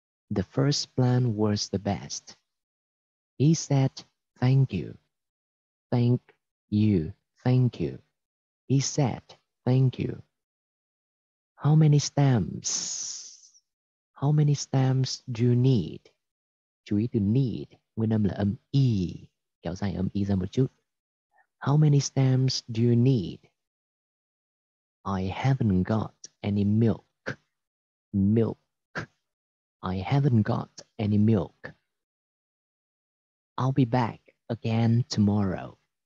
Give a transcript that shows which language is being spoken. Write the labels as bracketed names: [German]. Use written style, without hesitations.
[English] The first plan was the best. He said, thank you. Thank you. Thank you. He said, thank you. How many stamps? How many stamps do you need? [Vietnamese] Chú ý từ need, nguyên âm là âm E, kéo dài âm E ra một chút. [English] How many stamps do you need? I haven't got any milk. Milk. I haven't got any milk. I'll be back again tomorrow.